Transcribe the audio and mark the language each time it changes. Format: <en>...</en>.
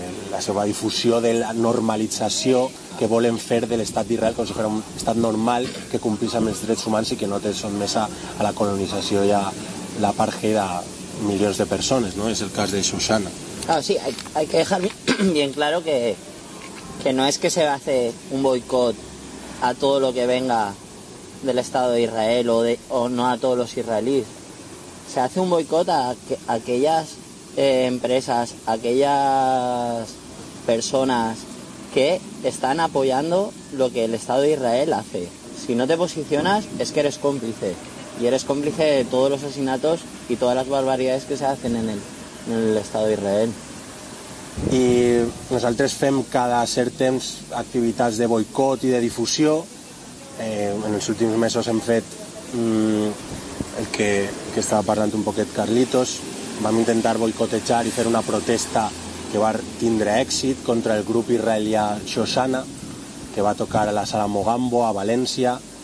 <ca>la seva difusió de la normalització que volen fer de l'estat d'Israel com si fos un estat normal que complís amb els drets humans i que no té sotmès a la colonització i a l'apartheid de milions de persones, no? És el cas de Shoshana.</ca> <es>Claro, sí, hay que dejar bien claro que no es que se hace un boicot a todo lo que venga del Estado de Israel o no a todos los israelíes. Se hace un boicot a aquellas empresas, a aquellas personas que están apoyando lo que el Estado de Israel hace. Si no te posicionas, es que eres cómplice. Y eres cómplice de todos los asesinatos y todas las barbaridades que se hacen en él.</es> <ca>En l'estat d'Israel. I nosaltres fem cada cert temps activitats de boicot i de difusió. En els últims mesos hem fet el que estava parlant un poquet Carlitos. Vam intentar boicotejar i fer una protesta que va tindre èxit contra el grup israelià Shoshana, que va tocar a la Sala Mogambo a València.</ca>